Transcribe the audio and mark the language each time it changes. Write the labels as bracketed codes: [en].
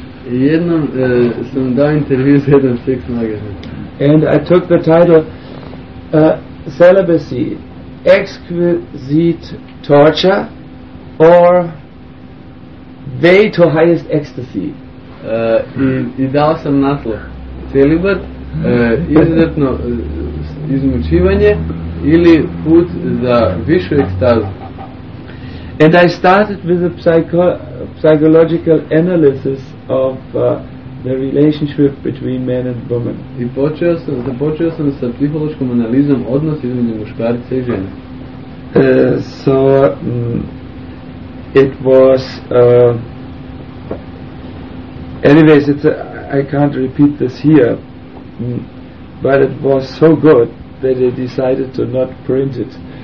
[hr] Jednom sam dao intervju za jedan sex magazine. [en] And I took the title Celibacy, Exquisite Torture or Way to Highest Ecstasy. [hr] I dao sam naslov celibat, izuzetno izmučivanje ili put za višu ekstazu. [en] And I started with a psychological analysis of the relationship between man and woman. [hr] I započeo sam sa psihološkom analizom odnosa između muškarca i žene. [en] So it was anyways, I can't repeat this here, but it was so good that I decided to not print it.